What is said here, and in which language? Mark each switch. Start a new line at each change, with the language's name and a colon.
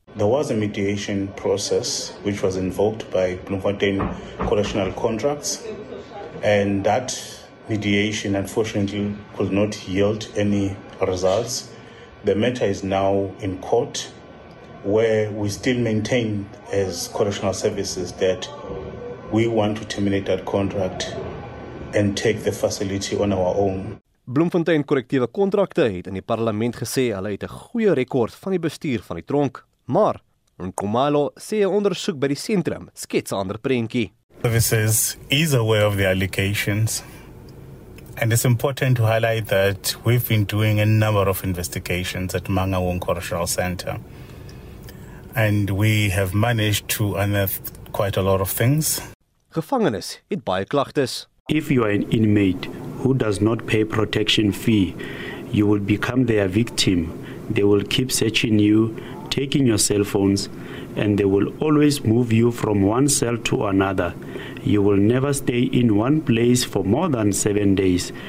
English: There was a mediation process which was invoked by Bloemfontein Correctional Contracts, and that mediation unfortunately could not yield any results. The matter is now in court, where we still maintain as correctional services that we want to terminate that contract and take the facility on our own.
Afrikaans: Bloemfontein korrektiewe kontrakte het in die parlement gesê hulle het 'n goeie rekord van die bestuur van die tronk, maar Nkomalo sê 'n ondersoek by die sentrum skets 'n ander prentjie.
English: Services is aware of the allegations. And it's important to highlight that we've been doing a number of investigations at Mangaung Correctional Centre. And we have managed to unearth quite a lot of things.
Afrikaans: Gevangenes het baie klagtes.
English: If you are an inmate who does not pay protection fee, you will become their victim. They will keep searching you, taking your cell phones, and they will always move you from one cell to another. You will never stay in one place for more than 7 days.